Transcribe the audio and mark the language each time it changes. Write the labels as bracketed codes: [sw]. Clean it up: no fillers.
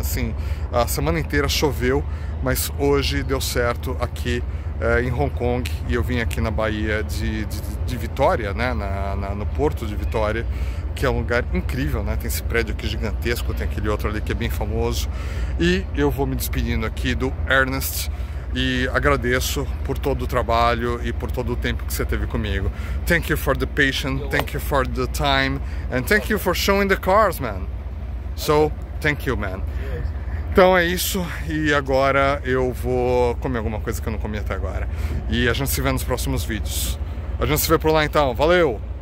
[pt] Assim, a semana inteira choveu, mas hoje deu certo aqui em Hong Kong, e eu vim aqui na Baía de Vitória, né? No Porto de Vitória, que é um lugar incrível, né? Tem esse prédio aqui gigantesco, tem aquele outro ali que é bem famoso. E eu vou me despedindo aqui do Ernest e agradeço por todo o trabalho e por todo o tempo que você teve comigo. [en] Thank you for the patience, thank you for the time, and thank you for showing the cars, man. So, thank you, man. [pt] Então é isso, e agora eu vou comer alguma coisa que eu não comi até agora. E a gente se vê nos próximos vídeos. A gente se vê por lá então, valeu!